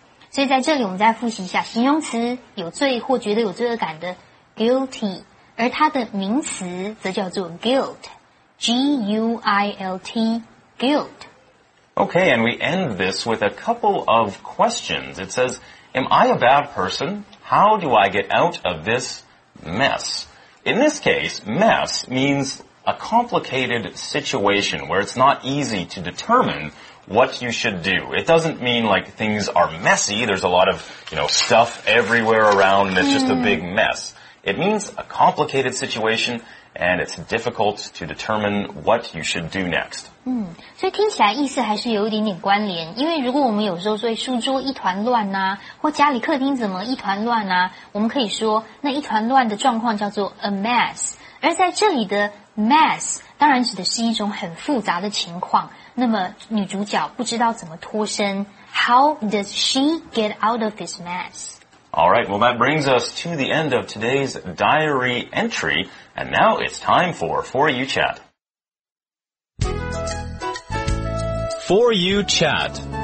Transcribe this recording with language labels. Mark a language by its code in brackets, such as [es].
[zh] 所以在这里我们再复习一下形容词有罪或觉得有罪恶感的 guilty， 而它的名词则叫做 guilt， G-U-I-L-T， guilt。 [en] Okay, and we end this with a couple of questions. It saysAm I a bad person? How do I get out of this mess? In this case, mess means a complicated situation where it's not easy to determine what you should do. It doesn't mean like things are messy. There's a lot of, you know, stuff everywhere around and it's just a big mess. It means a complicated situation and it's difficult to determine what you should do next. [zh] 所以听起来意思还是有一点点关联，因为如果我们有时候说书桌一团乱啊，或家里客厅怎么一团乱啊，我们可以说那一团乱的状况叫做 a mess。而在这里的 mess 当然指的是一种很复杂的情况，那么女主角不知道怎么脱身。 [en] How does she get out of this mess? Alright, well that brings us to the end of today's diary entry, and now it's time for You Chat. For You Chat.